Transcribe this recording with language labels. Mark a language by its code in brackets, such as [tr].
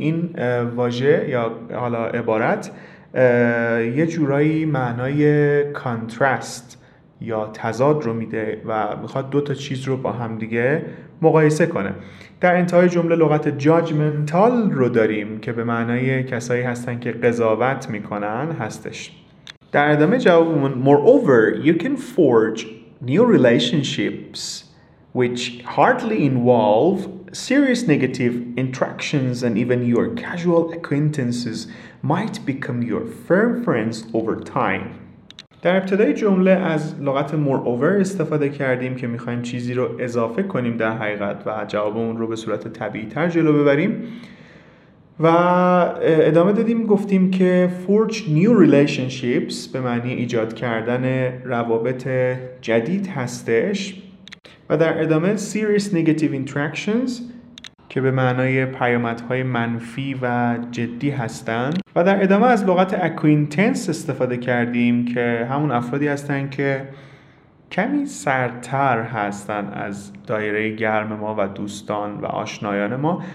[fa] این واژه یا حالا عبارت یه جورایی معنای contrast یا تضاد رو میده و میخواد دو تا چیز رو با هم دیگه مقایسه کنه. در انتهای جمله لغت judgmental رو داریم که به معنای کسایی هستن که قضاوت میکنن هستش. در ادامه جوابمون [en] moreover you can forge new relationships which hardly involve serious negative interactions and even your casual acquaintances might become your firm friends over time. [fa] در ابتدای جمله از لغت moreover استفاده کردیم که میخواییم چیزی رو اضافه کنیم در حقیقت و جواب اون رو به صورت طبیعی تر جلو ببریم و ادامه دادیم گفتیم که [en] forge new relationships [fa] به معنی ایجاد کردن روابط جدید هستش و در ادامه [en] serious negative interactions [fa] که به معنای پیامدهای منفی و جدی هستن و در ادامه از لغت acquaintance استفاده کردیم که همون افرادی هستن که کمی سردتر هستن از دایره گرم ما و دوستان و آشنایان ما.